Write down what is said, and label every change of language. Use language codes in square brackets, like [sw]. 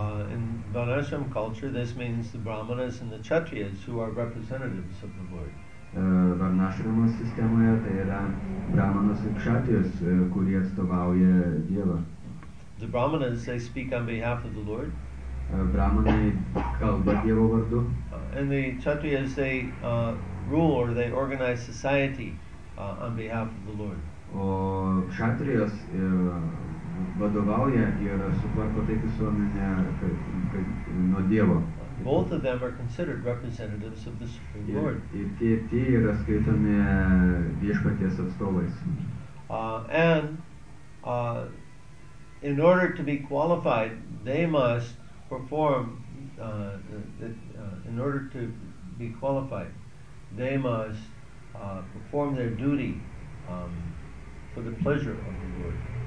[en] In Vanasham culture, this means the Brahmanas and the Kshatriyas who are representatives of the Lord. [lt] Vanasham sistemoje tai yra Brahmanas ir Kshatriyas, kurie atstovauja Dievą. [en] The Brahmanas, they speak on behalf of the Lord. [lt] Brahmanai kalba Dievo vardu. [en] And the Kshatriyas, they rule or they organize society on behalf of the Lord. [lt] O kshatrijos vadovauja ir sutvarko taip visuomenę nuo Dievo. [en] Both of them are considered representatives of the Supreme Lord. [lt] Ir tie yra skaitomi viešpaties atstovais. [en] In order to be qualified, they must perform in order to be qualified, they must perform their duty for the pleasure of the Lord.